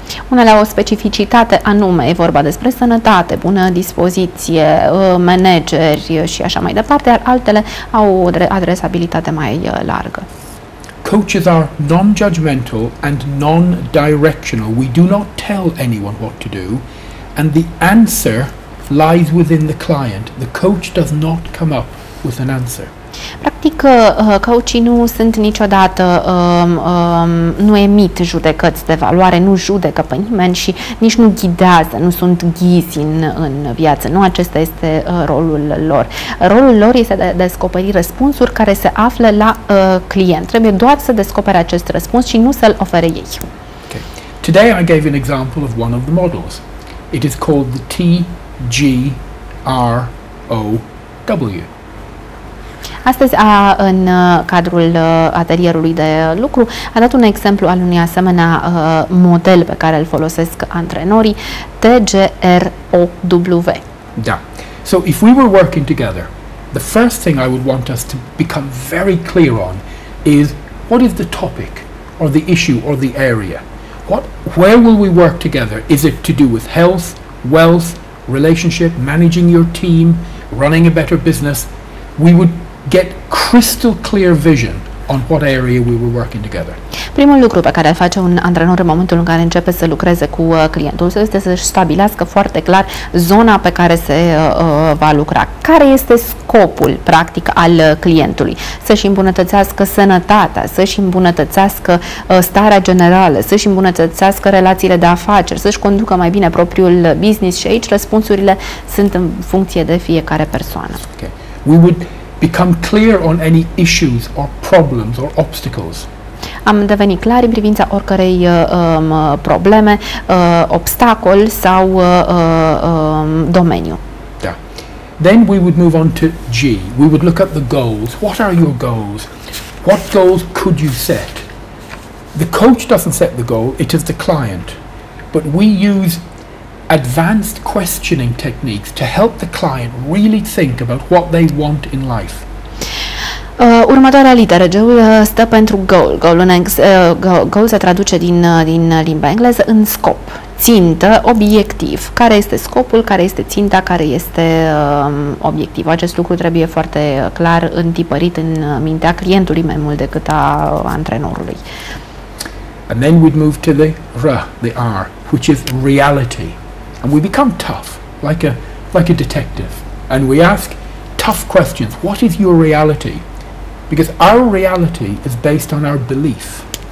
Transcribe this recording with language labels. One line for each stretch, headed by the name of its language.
Romanian: Unele au o specificitate anume, e vorba despre sănătate, bună dispoziție, manageri și așa mai departe, iar altele au o adresabilitate mai largă.
English: Coaches are non-judgmental and non-directional. We do not tell anyone what to do, and the answer lies within the client. The coach does not come up with an answer.
Romanian: Practic, coachii nu sunt niciodată, nu emit judecăți de valoare, nu judecă pe nimeni și nici nu ghidează, nu sunt ghizi în viață. Nu acesta este rolul lor. Rolul lor este de a descoperi răspunsuri care se află la client. Trebuie doar să descopere acest răspuns și nu să-l ofere ei.
English: Okay. Today I gave an example of one of the models. It is called the TGROW.
Romanian: Astăzi, în cadrul atelierului de lucru, a dat un exemplu al unui asemenea model pe care îl folosesc antrenorii, TGROW. Da.
English: So, if we were working together, the first thing I would want us to become very clear on is what is the topic or the issue or the area? Where will we work together? Is it to do with health, wealth, relationship, managing your team, running a better business? We would get crystal clear vision on what area we were working together.
Romanian: Primul lucru pe care îl face un antrenor în momentul în care începe să lucreze cu clientul său este să-și stabilească foarte clar zona pe care se va lucra. Care este scopul practic al clientului? Să-și îmbunătățească sănătatea, să-și îmbunătățească starea generală, să-și îmbunătățească relațiile de afaceri, să-și conducă mai bine propriul business, și aici răspunsurile sunt în funcție de fiecare persoană.
English: Okay. We would become clear on any issues or problems or obstacles.
Romanian: Am devenit clar în privința oricărei probleme, obstacol sau domeniu.
English: Da. Then we would move on to G. We would look at the goals. What are your goals? What goals could you set? The coach doesn't set the goal, it is the client. But we use advanced questioning techniques to help the client really think about what they want in life.
Romanian: Următoarea literă, G, stă pentru goal. Goal se traduce din limba engleză în scop, țintă, obiectiv. Care este scopul, care este ținta, care este obiectivul? Acest lucru trebuie foarte clar întipărit în mintea clientului mai mult decât a antrenorului.
English: And then we'd move to the R, the R, which is reality. And we become tough, like a detective. And we ask tough questions. What is your reality? Because our reality is based on our belief.